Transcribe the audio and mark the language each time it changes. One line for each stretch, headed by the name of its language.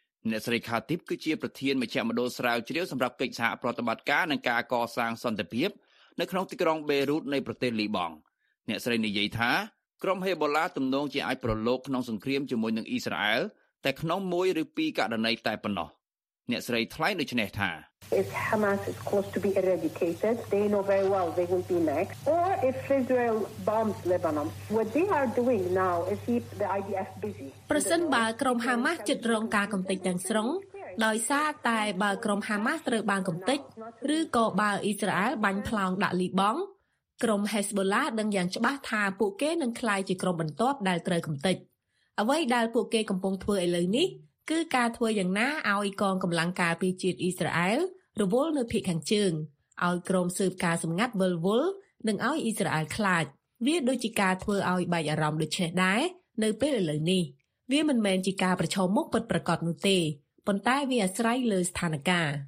Khmer: អ្នកស្រីខាទីបគឺជាប្រធានមជ្ឈមណ្ឌលស្រាវជ្រាវសម្រាប់កិច្ចសហប្រតិបត្តិការនិងការកសាងសន្តិភាពនៅក្នុងទីក្រុងបេរូតនៃប្រទេសលីបង់អ្នកស្រីនិយាយថាក្រុមហេបូឡាទំនងជាអាចប្រឡូកក្នុងសង្គ្រាមជាមួយនឹងអ៊ីស្រាអែលតែក្នុងមួយឬពីរករណីតែប៉ុណ្ណោះអ្នកស្រីថ្លែងដូចនេះថា
English: If Hamas is close to be eradicated, they know very well they will be next. Or if Israel bombs Lebanon, what they are doing now is keep the IDF busy.
Khmer: ប្រសិនបើក្រុមហាម៉ាស់ជិតរងការកំទេចទាំងស្រុងដោយសារតែបើក្រុមហាម៉ាស់ត្រូវបានកំទេចឬក៏បើអ៊ីស្រាអែលបាញ់ផ្លោងដាក់លីបង់ ក្រុម Hezbollah ដឹងយ៉ាងច្បាស់ថាពួកគេនឹងក្លាយជាក្រុមបន្ទាប់ដែលត្រូវកំទេចអ្វីដែលពួកគេកំពុងធ្វើឥឡូវនេះគឺការធ្វើយ៉ាងណាឲ្យកងកម្លាំងការពារជាតិអ៊ីស្រាអែលរវល់នៅភាគខាងជើងឲ្យក្រុមស៊ើបការសម្ងាត់វល់វល់និងឲ្យអ៊ីស្រាអែលខ្លាចវាដូចជាការធ្វើឲ្យបែកអារម្មណ៍ដូចនេះដែរនៅពេលឥឡូវនេះវាមិនមែនជាការប្រឈមមុខពិតប្រាកដនោះទេប៉ុន្តែវាអាស្រ័យលើស្ថានភាព